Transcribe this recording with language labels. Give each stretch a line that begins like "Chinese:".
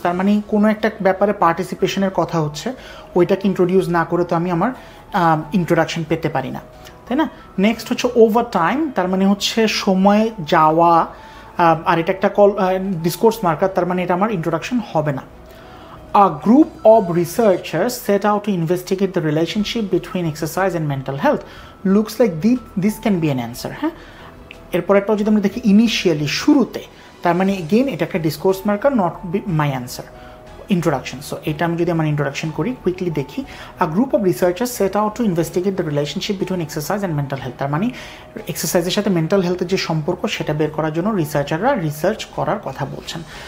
Bangla: তার মানে কোনো একটা ব্যাপারে পার্টিসিপেশনের কথা হচ্ছে, ওইটাকে ইন্ট্রোডিউস না করে তো আমি আমার ইন্ট্রোডাকশন পেতে পারি না। তাই না? নেক্সট হচ্ছে ওভার টাইম, তার মানে হচ্ছে সময় যাওয়া, আর এটা একটা কল ডিসকোর্স মার্কার, তার মানে এটা আমার ইন্ট্রোডাকশন হবে না।
English: A group of researchers set out to investigate the relationship between exercise and mental health. Looks like this can be an answer.
Bangla: এরপর একটা যদি আমরা দেখি ইনিশিয়ালি, শুরুতে, তার মানে এগেইন এটা একটা discourse marker,
English: not my answer,
Bangla: introduction. So এটা আমি যদি আমার ইন্ট্রোডাকশন করি, কুইকলি দেখি,
English: a group of researchers set out to investigate the relationship between exercise and mental health,
Bangla: তার মানে এক্সারসাইজের সাথে মেন্টাল হেলথের যে সম্পর্ক সেটা বের করার জন্য রিসার্চাররা রিসার্চ করার কথা বলছেন।